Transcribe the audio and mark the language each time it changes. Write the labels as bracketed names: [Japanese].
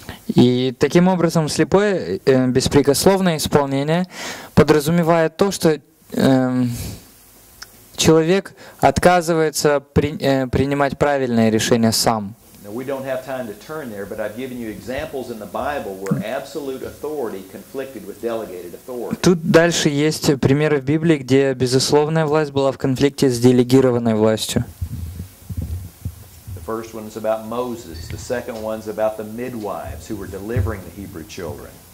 [Russian] И таким образом слепое беспрекословное исполнение подразумевает то, что человек отказывается принимать правильное решение сам. [English] Now, we don't have time to turn there, but I've given you examples in the Bible where absolute authority conflicted with delegated authority. [Russian] Тут дальше есть примеры в Библии, где безусловная власть была в конфликте с делегированной властью. [English] The first one is about Moses. The second one's about the midwives who were delivering the Hebrew children.